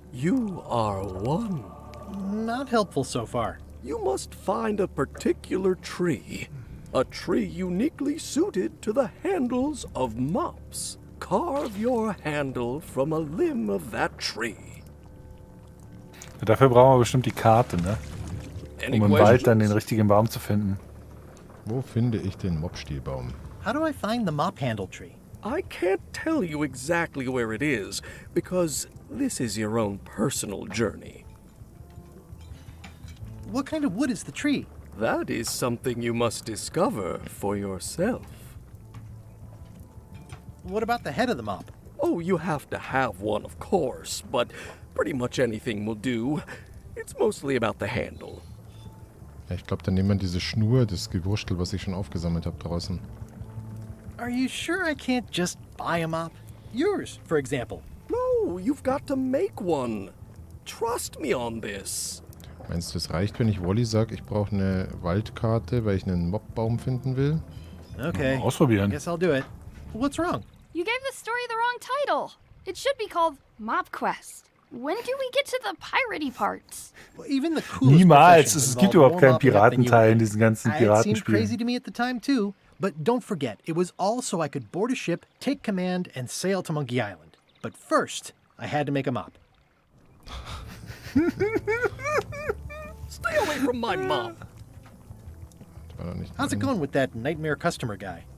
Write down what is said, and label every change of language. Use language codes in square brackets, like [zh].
[en] You are one. Not helpful so far. You must find a particular tree. A tree uniquely suited to the handles of mops. Carve your handle from a limb of that tree. [de] Dafür brauchen wir bestimmt die Karte, ne? Um im Wald dann den richtigen Baum zu finden. Wo finde ich den Mopstielbaum? [en] How do I find the mop handle tree? I can't tell you exactly where it is, because this is your own personal journey. What kind of wood is the tree? That is something you must discover for yourself. What about the head of the mop? Oh, you have to have one, of course, but pretty much anything will do. It's mostly about the handle. [de] Ja, ich glaube, dann nehmen wir diese Schnur, das Gewurstel, was ich schon aufgesammelt habe draußen. [en] Are you sure I can't just buy a mop? Yours, for example. No, you've got to make one. Trust me on this. [de] Meinst du, es reicht, wenn ich Wally sage, ich brauche eine Waldkarte, weil ich einen Mopbaum finden will? Okay. Mal ausprobieren. [en] Guess I'll do it. What's wrong? You gave the story the wrong title. It should be called Mop Quest. When do we get to the piratey parts? Well, even the [de] niemals. Es gibt überhaupt keinen Piratenteil in diesen ganzen Piratenspielen. [en] It seemed crazy to me at the time too, but don't forget, it was all so I could board a ship, take command and sail to Monkey Island. But first, I had to make a mop. Stay away from my mop. How's it going with that nightmare customer guy?